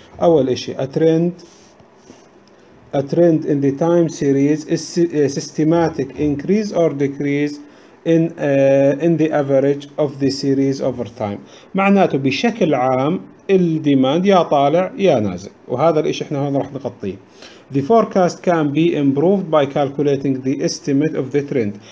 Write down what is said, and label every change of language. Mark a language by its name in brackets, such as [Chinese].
[Arabic] أول إشي [English] a trend in the time series is systematic increase or decrease in the average of the series over time. [Arabic] معناته بشكل عام الديماند يا طالع يا نازل، وهذا الاشي احنا هون راح نغطيه. [English] The forecast can be improved by calculating the estimate of the trend.